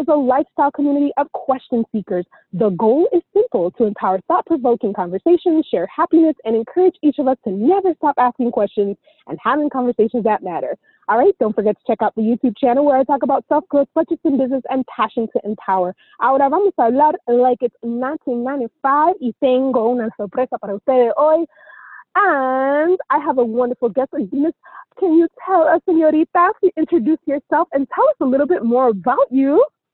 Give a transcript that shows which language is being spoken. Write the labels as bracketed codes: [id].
[en] Is a lifestyle community of question seekers. The goal is simple, to empower thought-provoking conversations, share happiness, and encourage each of us to never stop asking questions and having conversations that matter. All right, don't forget to check out the YouTube channel where I talk about self-growth, budgets and business, and passion to empower. [es] Ahora vamos a hablar [en] like it's 1995, [es] y tengo una sorpresa para ustedes hoy. And I have a wonderful guest, Venus. Can you tell us, señorita, to introduce yourself and tell us a little bit more about you?